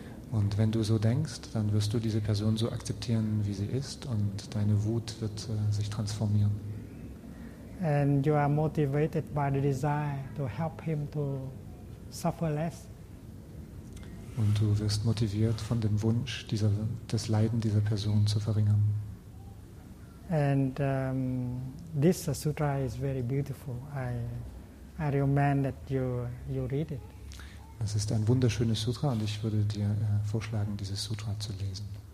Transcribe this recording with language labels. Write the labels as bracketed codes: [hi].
[de] Und wenn du so denkst, dann wirst du diese Person so akzeptieren, wie sie ist, und deine Wut wird sich transformieren. [en] And you are motivated by the desire to help him to suffer less. [de] Und du wirst motiviert von dem Wunsch, das Leiden dieser Person zu verringern. [en] And this sutra is very beautiful. I recommend that you read it. [de] Das ist ein wunderschönes Sutra und ich würde dir vorschlagen, dieses Sutra zu lesen.